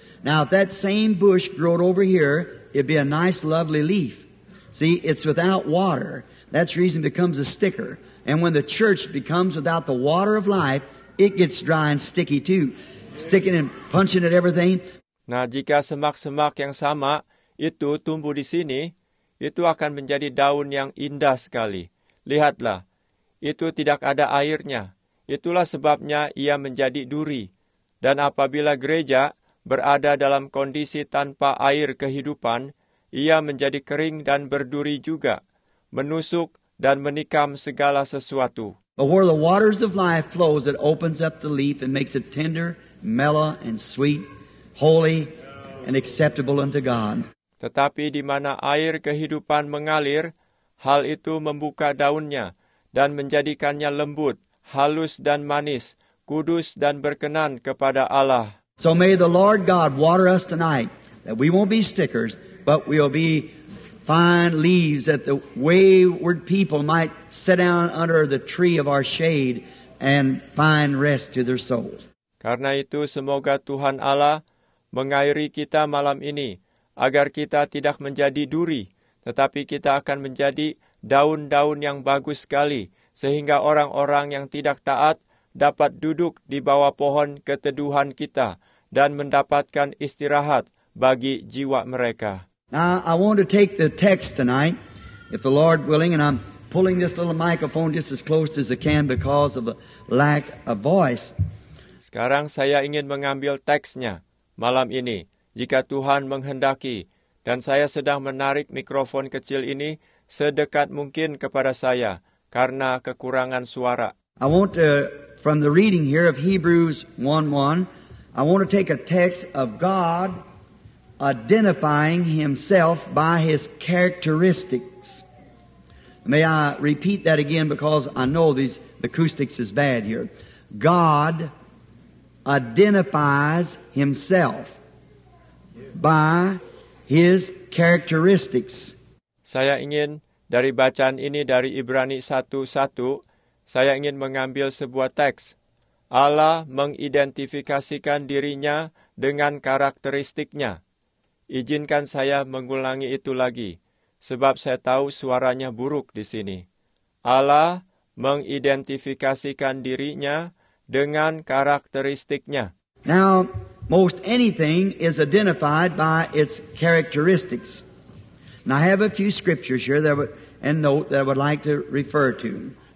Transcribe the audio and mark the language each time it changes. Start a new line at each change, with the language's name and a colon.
English: Now, if that same bush growed over here, it'd be a nice, lovely leaf. See, it's without water. That's reason it becomes a sticker. And when the church becomes without the water of life, it gets dry and sticky too. Sticking and punching at everything.
Indonesian: Nah, jika semak-semak yang sama itu tumbuh di sini, itu akan menjadi daun yang indah sekali. Lihatlah, itu tidak ada airnya. Itulah sebabnya ia menjadi duri. Dan apabila gereja berada dalam kondisi tanpa air kehidupan, ia menjadi kering dan berduri juga, menusuk dan menikam segala sesuatu.
English: But where the waters of life flows, it opens up the leaf and makes it tender, mellow, and sweet, holy, and acceptable unto God.
Indonesian: Tetapi di mana air kehidupan mengalir, hal itu membuka daunnya dan menjadikannya lembut, halus dan manis, kudus dan berkenan kepada Allah.
English: So may the Lord God water us tonight, that we won't be stickers, but we'll be fine leaves, that the wayward people might sit down under the tree of our shade and find rest to their souls.
Indonesian: Karena itu, semoga Tuhan Allah mengairi kita malam ini, agar kita tidak menjadi duri, tetapi kita akan menjadi daun-daun yang bagus sekali, sehingga orang-orang yang tidak taat dapat duduk di bawah pohon keteduhan kita dan mendapatkan istirahat bagi jiwa mereka.
English: Now, I want to take the text tonight, if the Lord willing, and I'm pulling this little microphone just as close as I can because of a lack of voice.
Indonesian: Sekarang saya ingin mengambil teksnya malam ini, jika Tuhan menghendaki, dan saya sedang menarik mikrofon kecil ini sedekat mungkin kepada saya karena kekurangan suara.
English: I want to, from the reading here of Hebrews 1:1, I want to take a text of God identifying himself by his characteristics. May I repeat that again, because I know these acoustics is bad here. God identifies himself by his characteristics.
Indonesian: Saya ingin dari bacaan ini dari Ibrani 1:1, saya ingin mengambil sebuah teks. Allah mengidentifikasikan dirinya dengan karakteristiknya. Izinkan saya mengulangi itu lagi, sebab saya tahu suaranya buruk di sini. Allah mengidentifikasikan dirinya dengan karakteristiknya.
English: Now, most anything is identified by its characteristics. And I have a few scriptures here that I would like to refer to.